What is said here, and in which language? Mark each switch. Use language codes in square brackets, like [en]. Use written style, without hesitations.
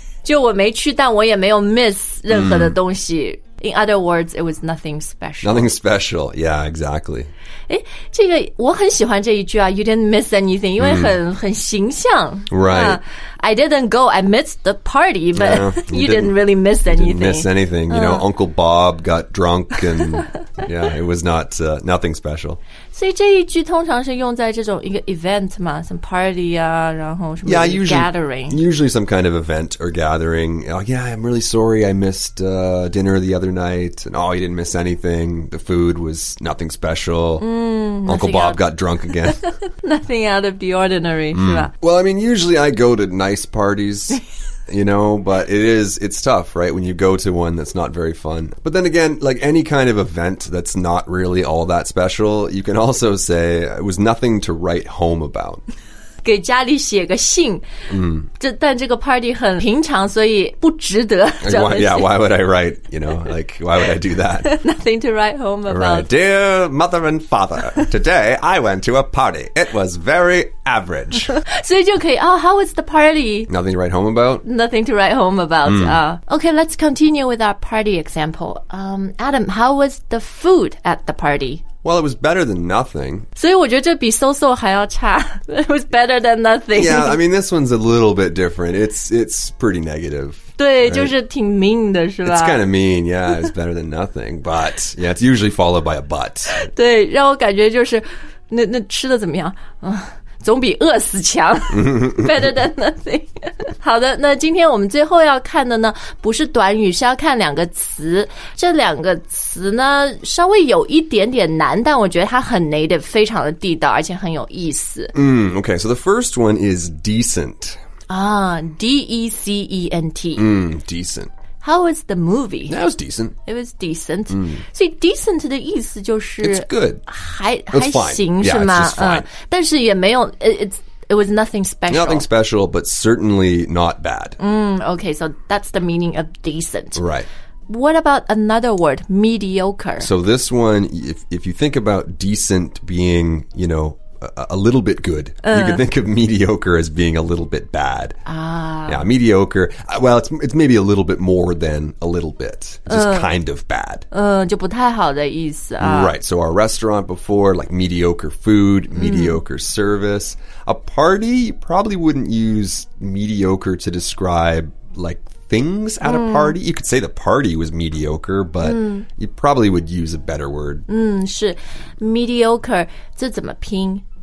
[zh] 就我没去，但我也没有 miss 任何的东西。 [en] In other words, it was nothing special. Nothing special. Yeah, exactly. [zh] 诶，这个我很喜欢这一句啊 You didn't miss anything, 因为很形象。 [en] Right. I didn't go, I missed the party, but you didn't really miss anything. You didn't miss anything. You know, Uncle Bob got drunk and yeah, it was not, nothing special. [zh] 所以这一句通常是用在这种一个 event 嘛 some party 啊然后什么 gathering. [en] Usually some kind of event or gathering. Oh, yeah, I'm really sorry I missed dinner the other night. And oh, you didn't miss anything. The food was nothing special. Uncle Bob got drunk again. Nothing out of the ordinary, 是吧 Well, I mean, usually I go to nice parties, you know, but it's tough, right? When you go to one that's not very fun. But then again, like any kind of event that's not really all that special, you can also say it was nothing to write home about. [zh] 给家里写个信、但这个 party 很平常所以不值得 [en] why would I write, you know, like, why would I do that? Nothing to write home about. Right. Dear mother and father, today I went to a party. It was very average. 所以就可以 oh, how was the party? Nothing to write home about? Nothing to write home about.、Okay, let's continue with our party example. Adam, how was the food at the party? Well, it was better than nothing. [zh] 所以我觉得这比 so-so 还要差 It was better than nothing. [en] Yeah, I mean, this one's a little bit different. It's pretty negative. [zh] 对、 right? 就是挺 mean 的是吧 [en] It's kind of mean, yeah. It's better than nothing. But, yeah, it's usually followed by a but. [zh] 对让我感觉就是那吃的怎么样、总比饿死强 Better than nothing. 好的那今天我们最后要看的呢不是短语是要看两个词。这两个词呢稍微有一点点难但我觉得它很 native, 非常的地道而且很有意思。 [en] Okay, so the first one is decent. D-E-C-E-N-T. Decent. How was the movie? That was decent. [zh] It was decent.、所以 decent 的意思就是 [en] It's good. [zh] 还行 [en] yeah, [zh] 是吗 [en] it's just fine.、 [zh] 但是也没有 it was nothing special. [en] Nothing special, but certainly not bad.、 okay, so that's the meaning of decent. Right. What about another word, mediocre? So this one, if you think about decent being, you know,a little bit good.、You could think of mediocre as being a little bit bad. Yeah, mediocre. Well, it's maybe a little bit more than a little bit. Just kind of bad. [zh] 就不太好的意思啊。 [en] Right, so our restaurant before, like mediocre food, mediocre service. A party, you probably wouldn't use mediocre to describe like things at a party. You could say the party was mediocre, but you probably would use a better word. [zh] 是 mediocre, 这怎么拼